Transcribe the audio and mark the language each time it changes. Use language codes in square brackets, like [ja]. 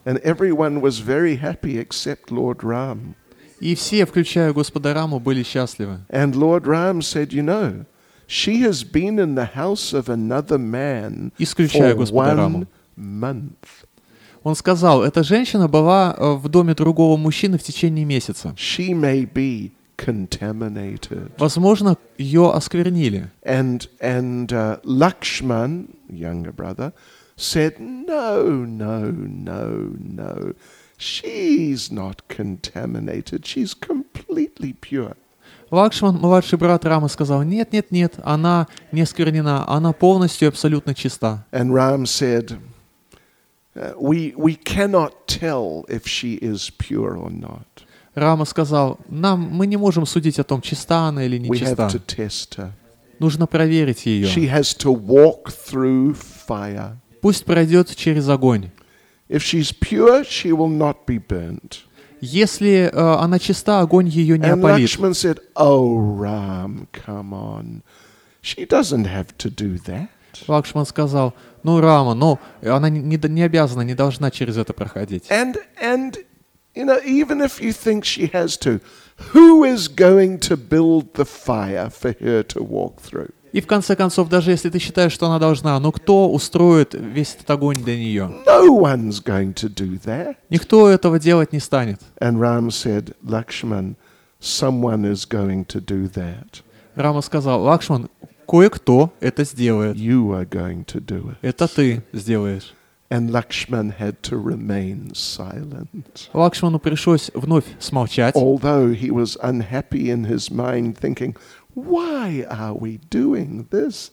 [en] And everyone was very happy except Lord Ram. [ru] И все, включая Господа Раму, были счастливы. [en] And Lord Ram said, you know, she has been in the house of another man for one month. [ru] Он сказал, эта женщина была в доме другого мужчины в течение месяца. [en] She may be contaminated. [ru] Возможно, ее осквернили. [en] And Lakshman, younger brother, said, no. She's not contaminated. She's completely pure. [ru] Лакшман, младший брат Рамы, сказал, нет, она не осквернена, она полностью абсолютно чиста. [en] And Ram said, We cannot tell if she is pure or not. [ru] Рама сказал, мы не можем судить о том, чиста она или нечиста. [en] We have to test her. [ru] Нужно проверить ее. [en] She has to walk through fire. [ru] Пусть пройдет через огонь. [en] If she's pure, she will not be burnt. [ru] Если она чиста, огонь ее не опалит. [en] And Lakshman said, oh, Ram, come on. She doesn't have to do that. [ru] Лакшман сказал, Рама, она не обязана, не должна через это проходить. [en] And, you know, even if you think she has to, who is going to build the fire for her to walk through? [ru] И в конце концов, даже если ты считаешь, что она должна, кто устроит весь этот огонь для нее? [en] No one's going to do that. [ru] Никто этого делать не станет. [en] And Ram said, Lakshman, someone is going to do that. [ru] Рама сказал, Лакшман, кое-кто это сделает. [en] You are going to do it. [ru] Это ты сделаешь. [en] And Lakshman had to remain silent. [ru] Лакшману пришлось вновь смолчать. [en] Although he was unhappy in his mind, thinking, why are we doing this?